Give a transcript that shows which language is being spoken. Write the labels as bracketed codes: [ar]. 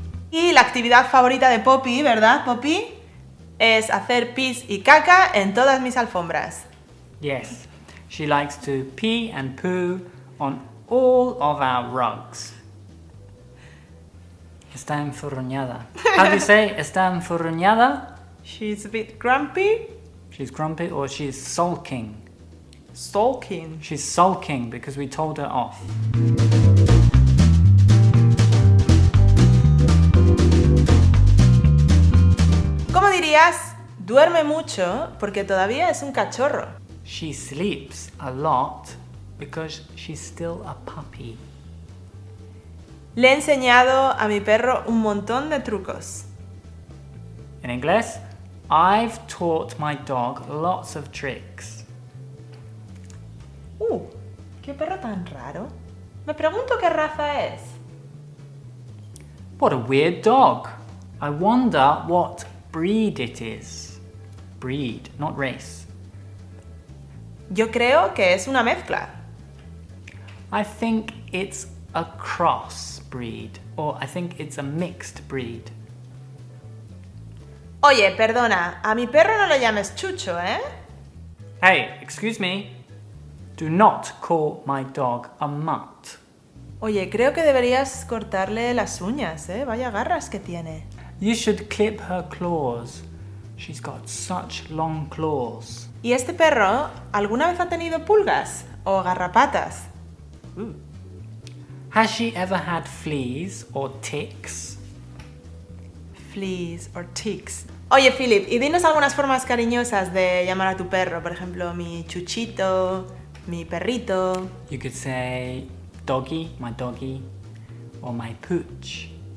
[es] Y la actividad favorita de Poppy, ¿verdad, Poppy? Es hacer pis y caca en todas mis alfombras. [en] Yes, she likes to pee and poo on all of our rugs. [es] Está enfurruñada. [en] How do you say [es] está enfurruñada? [en] She's a bit grumpy. She's grumpy or she's sulking. Sulking? She's sulking because we told her off. [es] ¿Cómo dirías duerme mucho porque todavía es un cachorro? [en] She sleeps a lot because she's still a puppy. [es] Le he enseñado a mi perro un montón de trucos. [en] In English, I've taught my dog lots of tricks. [es] Qué perro tan raro. Me pregunto qué raza es. [en] What a weird dog. I wonder what breed it is. Breed, not race. [es] Yo creo que es una mezcla. [en] I think it's a cross breed, or I think it's a mixed breed. [es] Oye, perdona, a mi perro no lo llames Chucho, ¿eh? [en] Hey, excuse me. Do not call my dog a mutt. [es] Oye, creo que deberías cortarle las uñas, ¿eh? Vaya garras que tiene. [en] You should clip her claws. She's got such long claws. [es] ¿Y este perro alguna vez ha tenido pulgas o garrapatas? [en] Has she ever had fleas or ticks? Fleas or ticks. [es] Oye, Philip, y dinos algunas formas cariñosas de llamar a tu perro. Por ejemplo, mi chuchito, mi perrito. [en] You could say doggy, my doggy, or my pooch.